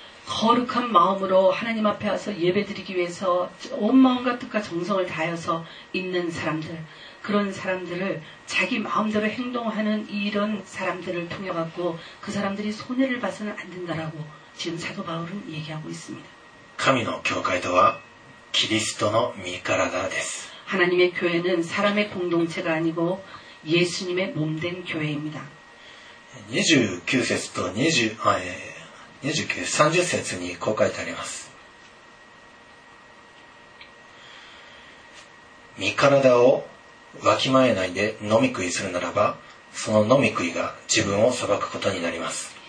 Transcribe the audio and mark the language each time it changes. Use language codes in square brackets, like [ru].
[ko] 거룩한마음으로하나님앞에와서예배드리기위해서온마음과뜻과정성을다해서있는사람들그런사람들을자기마음대로행동하는이런사람들을통해갖고그사람들이손해를봐서는안된다라고지금사도바울은얘기하고있습니다 [ja] 神の教会とはキリストの御体です [ko] 하나님의교회는사람의공동체가아니고예수님의몸된교회입니다 [ja] 29節と20아예29、30節にこう書いてあります。身体をわきまえないで飲み食いするならば、その飲み食いが自分を裁くことになります。